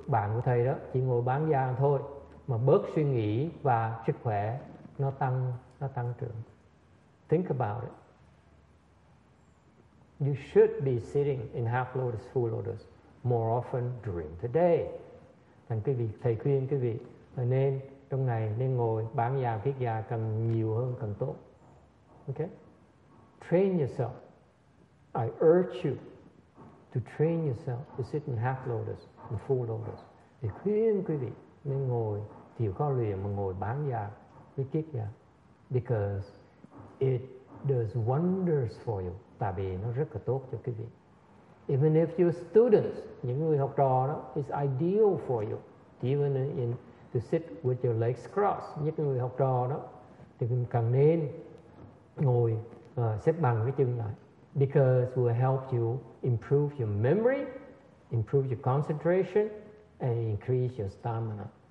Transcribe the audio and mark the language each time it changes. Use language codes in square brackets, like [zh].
[vi] Bạn của thầy đó chỉ ngồi bán già thôi mà bớt suy nghĩ và sức khỏe nó tăng trưởng. [en] Think about it. You should be sitting in half lotus, full lotus more often during the day. [vi] Thành quý vị, thầy khuyên quý vị nên trong ngày nên ngồi bán già kiết già càng nhiều hơn càng tốt. [en] Okay? Train yourself. I urge you to train yourself to sit in half lotus and full lotus. [vi] Thì khuyên quý vị nên ngồi chịu khó luyện mà ngồi bán già với kiết già. [en] Because it does wonders for you. [vi] Tại vì nó rất là tốt cho quý vị. [en] Even if you're students, [vi] những người học trò đó, [en] it's ideal for you. Even in to sit with your legs crossed. [vi] Những người học trò đó thì mình cần nên ngồi xếp bằng cái chân lại. [en] Because it will help you improve your memory, improve your concentration, and increase your stamina.